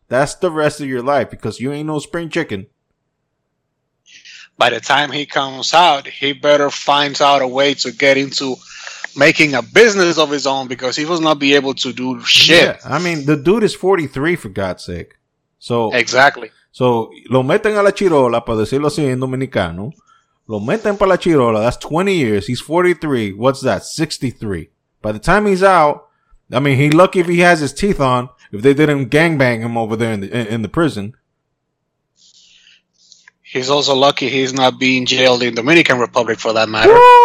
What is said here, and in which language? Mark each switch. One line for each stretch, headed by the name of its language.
English: That's the rest of your life because you ain't no spring chicken. By the time he comes out, he better find out a way to get into making a business of his own because he will not be able to do shit. Yeah, I mean, the dude is 43, for God's sake. So exactly.
Spanish: So, lo meten a la chirola, para decirlo así en dominicano. Lo meten para la chirola.
English: That's 20 years. He's 43. What's that? 63. By the time he's out, I mean, he lucky if he has his teeth on, if they didn't gangbang him over there in the prison. He's also lucky he's not being jailed in Dominican Republic for that matter.